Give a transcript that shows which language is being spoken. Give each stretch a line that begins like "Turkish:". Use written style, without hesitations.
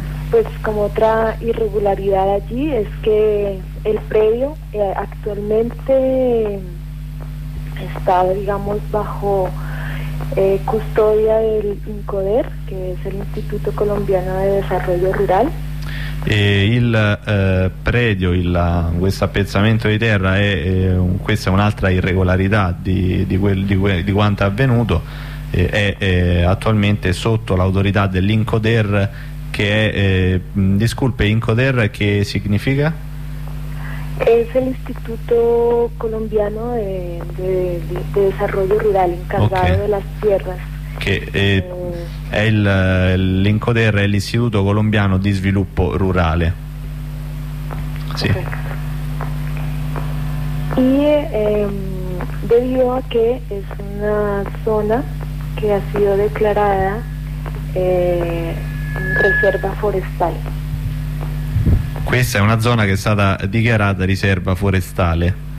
Spanish: Pues como otra irregularidad allí es que el predio actualmente está, digamos, bajo custodia del INCODER,
Italian: che è l'Istituto Colombiano di Desarrollo Rural. E il predio, questo appezzamento di terra questa è un'altra irregolarità di quanto è avvenuto, è attualmente sotto l'autorità dell'INCODER, che è
Spanish: disculpe,
Italian: INCODER che significa?
Spanish: Es el Instituto Colombiano de Desarrollo Rural, encargado de las tierras. Que es el INCODER, el Instituto Colombiano de
Italian: Sviluppo Rurale.
Spanish: Sí. Y debido a que es una zona que ha sido declarada reserva forestal.
Italian: Questa è una zona che è stata dichiarata riserva forestale.